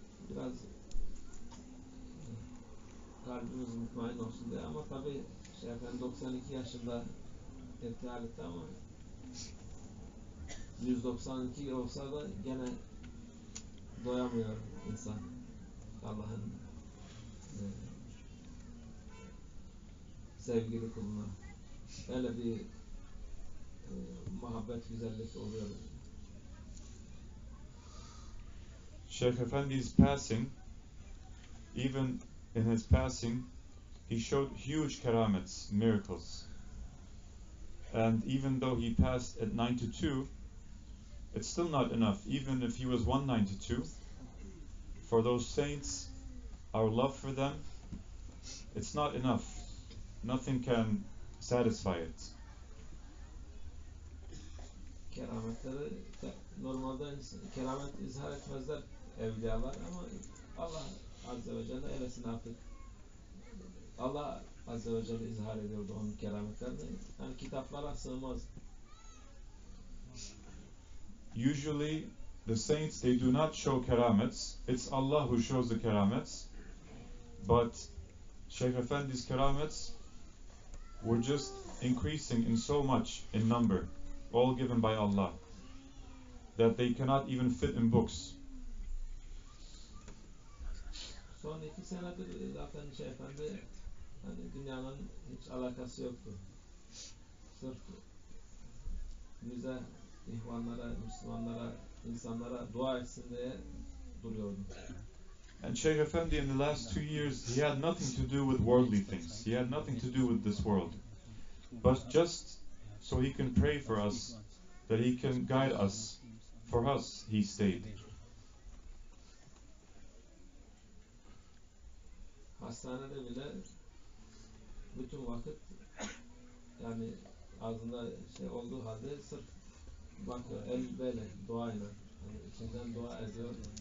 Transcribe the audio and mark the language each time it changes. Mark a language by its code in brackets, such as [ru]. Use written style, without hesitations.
[tr] Biraz kalbimiz mutmain olsun diye, ama tabi Şeyh Efendi 92 yaşında İttihad etti, ama 192 olsa da gene doyamıyor insan Allah'ın sevgili kuluna. Öyle bir muhabbet, güzellik oluyor. [en] Şeyh Efendi's passing, even in his passing, he showed huge keramets, miracles. And even though he passed at 92, it's still not enough. Even if he was 192, for those saints, our love for them, it's not enough. Nothing can satisfy it. [tr] Kerametleri normalde keramet izhar etmezler evliyalar, ama Allah Azze ve Celle eylesin artık. Allah Azze ve Celle izhar ediyordu onun kerametlerini. Yani kitaplara sığmaz. [en] Usually the saints, they do not show keramets. It's Allah who shows the keramets. But Sheikh Efendi's keramets were just increasing in so much in number, all given by Allah, that they cannot even fit in books. [tr] Son iki senedir zaten Sheikh Efendi, hani dünyanın hiç alakası yoktu. Sırf bize, ihvanlara, Müslümanlara, insanlara dua etsin diye duruyordu. [en] And Sheikh Efendi in the last 2 years, he had nothing to do with worldly things. He had nothing to do with this world. But just so he can pray for us, that he can guide us, for us, he stayed. [tr] Hastanede bile bütün vakit, yani ağzında şey olduğu halde sırf bakıyor, el böyle duayla, içinden dua ediyor.